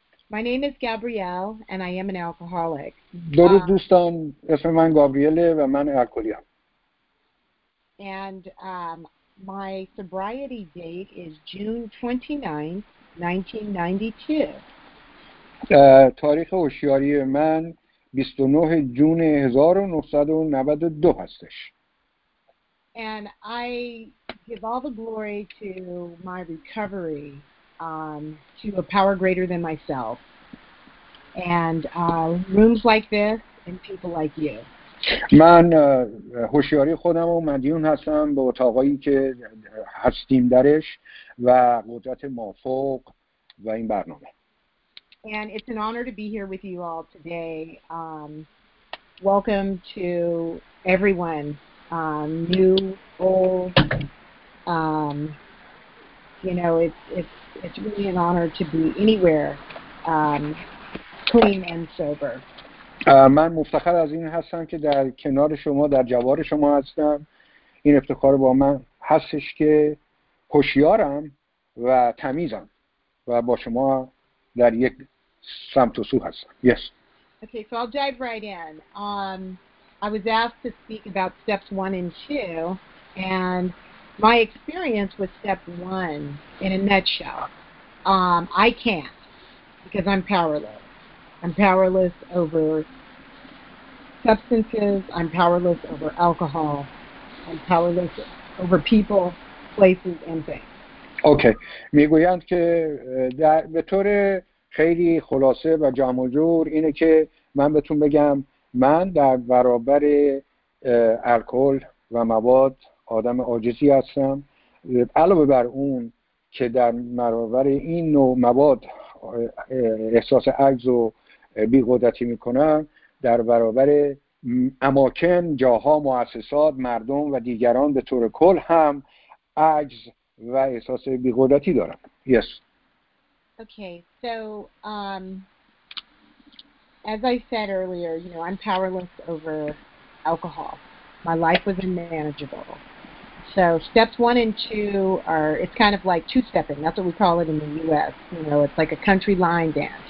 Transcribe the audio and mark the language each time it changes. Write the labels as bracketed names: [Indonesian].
[English] My name is Gabrielle, and I am an alcoholic. [Persian] درود دوستان، اسم من گابریله و من الکلیم. [English] And my sobriety date is June 29th, 1992. [Persian] تاریخ هوشیاری من 29 جون 1992 هستش. [English] And I give all the glory to my recovery, to a power greater than myself, and rooms like this and people like you. [Persian] من هوشیاری خودم و مدیون هستم به اتاقایی که هستیم درش و قدرت مافوق و این برنامه. [English] And it's an honor to be here with you all today. Welcome to everyone. New, old, you know, it's really an honor to be anywhere clean and sober. [Persian] من مفتخر از این هستم که در کنار شما، در جوار شما هستم. این افتخار با من هستش که هوشیارم و تمیزم و با شما در یک سمت و سو هستم. [English] Yes. Okay, so I'll dive right in. I was asked to speak about steps 1 and 2, and my experience with step 1 in a nutshell. I can't, because I'm powerless. I'm powerless over substances, I'm powerless over alcohol, I'm powerless over people, places, and things. Okay. [Persian] میگویند که در به طور خیلی خلاصه و جامع و جور اینه که من بهتون بگم من در برابر الکل و مواد آدم عاجزی هستم، علاوه بر اون که در برابر این نوع مواد احساس عجز و بی‌قدرتی می‌کنم، در برابر اماکن، جاها، مؤسسات، مردم و دیگران به طور کل هم عجز و احساس بی‌قدرتی دارم. [English] Yes. Okay. So as I said earlier, you know, I'm powerless over alcohol. My life was unmanageable. So steps 1 and 2 are, it's kind of like two-stepping. That's what we call it in the U.S. You know, it's like a country line dance.